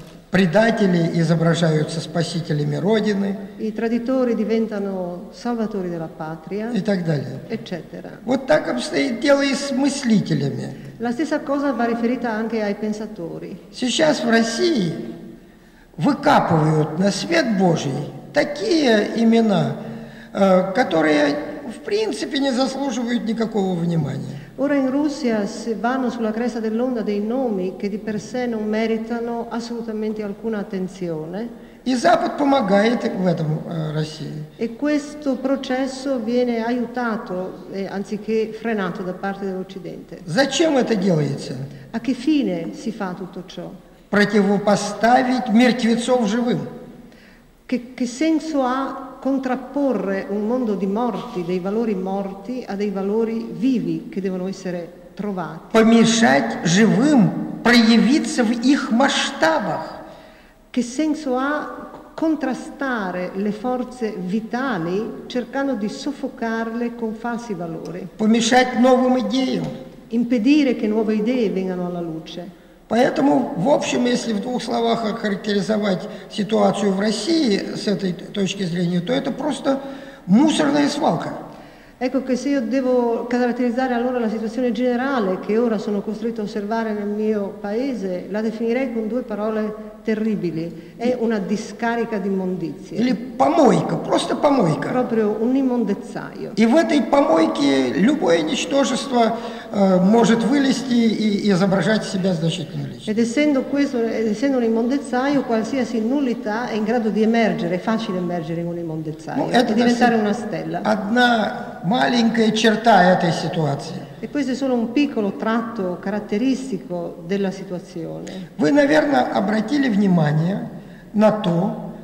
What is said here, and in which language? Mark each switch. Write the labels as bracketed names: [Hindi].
[Russian] Предатели изображаются спасителями Родины. [Italian] I traditori diventano salvatori della patria. [Russian] И так далее. [Italian] Eccetera. [Russian] Вот так обстоит дело и с мыслителями. [Italian] La stessa cosa va riferita anche ai pensatori. [Russian] Сейчас в России выкапывают на свет Божий такие имена, которые в принципе не заслуживают никакого внимания. [Italian] Ora in Russia si vanno sulla cresta dell'onda dei nomi che di per sé non meritano assolutamente alcuna attenzione. [Russian] И Запад помогает в этом России. [Italian] E questo processo viene aiutato anziché frenato da parte dell'Occidente. [Russian] Зачем это делается? [Italian] A che fine si fa tutto ciò? [Russian] Противопоставить мертвецов живым. [Italian] Che senso ha contrapporre un mondo di morti, dei valori morti, a dei valori vivi che devono essere trovati. [Russian] Помешать живым проявиться в их масштабах. [Italian] Che senso ha contrastare le forze vitali cercando di soffocarle con falsi valori? [Russian] Помешать новым идеям. [Italian] Impedire che nuove idee vengano alla luce. [Russian] Поэтому, в общем, если в двух словах охарактеризовать ситуацию в России с этой точки зрения, то это просто мусорная свалка. [Italian] Ecco che se io devo caratterizzare allora la situazione generale che ora sono costretto a osservare nel mio paese, la definirei con due parole terribili. È una discarica di immondizie. [Russian] Или помойка, просто помойка. [Italian] Proprio un immondezzaio. [Russian] И в этой помойке любое ничтожество может вылезти и изображать себя значительной личностью. [Italian] Ed essendo un immondezzaio, qualsiasi nullità è in grado di emergere, è facile emergere in un immondezzaio, e diventare una stella. [Russian] Одна маленькая черта этой ситуации. [Italian] E questo è solo un piccolo tratto caratteristico della situazione. [Russian] Вы, наверное, обратили внимание на то,